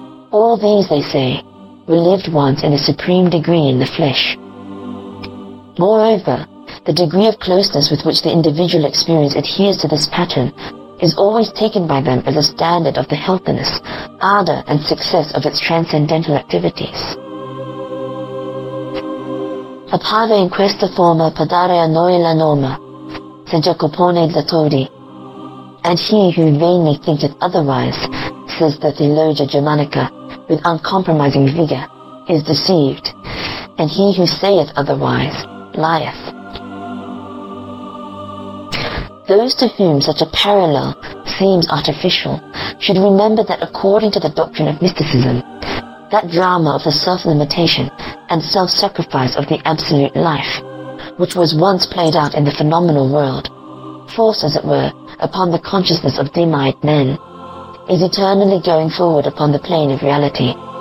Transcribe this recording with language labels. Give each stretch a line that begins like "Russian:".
English: All these, they say, were lived once in a supreme degree in the flesh. Moreover, the degree of closeness with which the individual experience adheres to this pattern is always taken by them as a standard of the healthiness, ardor, and success of its transcendental activities.
Italian: Appare in questa forma per dare a noi la norma, San Jacopone da Todi.
English: And he who vainly thinketh otherwise, says the Theologia Germanica, with uncompromising vigor, is deceived, and he who saith otherwise, lieth. Those to whom such a parallel seems artificial should remember that according to the doctrine of mysticism, that drama of the self-limitation and self-sacrifice of the absolute life, which was once played out in the phenomenal world, forced, as it were, upon the consciousness of dim-eyed men, is eternally going forward upon the plane of reality.